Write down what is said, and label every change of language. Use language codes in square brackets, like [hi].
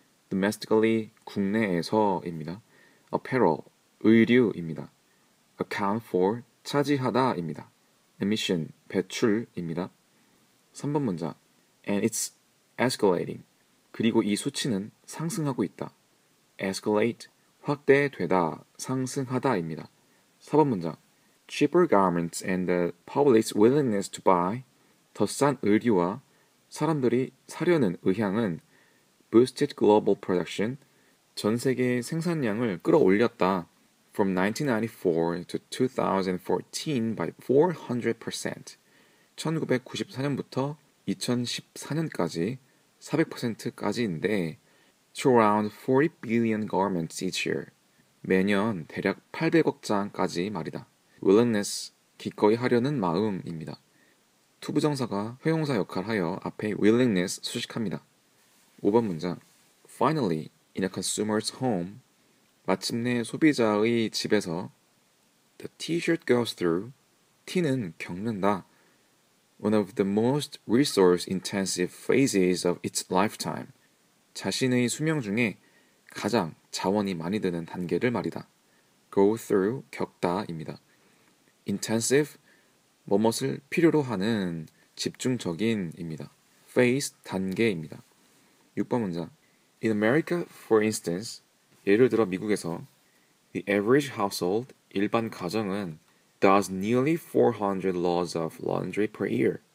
[ko] Domestically, 국내에서입니다. Apparel, 의류입니다. [en] Account for, [ko] 차지하다입니다. Emission, 배출입니다. 3번 문장. [en] And it's escalating. [ko] 그리고 이 수치는 상승하고 있다. Escalate, 확대되다, 상승하다입니다. 4번 문장. [en] Cheaper garments and the public's willingness to buy. [ko] 더 싼 의류와 사람들이 사려는 의향은 [en] boosted global production, [ko] 전 세계 생산량을 끌어올렸다. [en] From 1994 to 2014 by 400%. [ko] 1994년부터 2014년까지 400%까지인데 [en] to around 40 billion garments each year. [ko] 매년 대략 800억 장까지 말이다. Willingness, 기꺼이 하려는 마음입니다. 투부정사가 회용사 역할하여 앞에 willingness 수식합니다. 5번 문장. [en] Finally, in a consumer's home, [ko] 마침내 소비자의 집에서 [en] the t-shirt goes through, [ko] 티는 겪는다. [en] One of the most resource-intensive phases of its lifetime. [ko] 자신의 수명 중에 가장 자원이 많이 드는 단계를 말이다. [en] Go through, [ko] 겪다입니다. Intensive, 무엇을 필요로 하는 집중적인입니다. [en] Phase, [ko] 단계입니다. 6번 문장. [en] In America, for instance, [ko] 예를 들어 미국에서 [en] The average household, [ko] 일반 가정은 [en] does nearly 400 loads of laundry per year.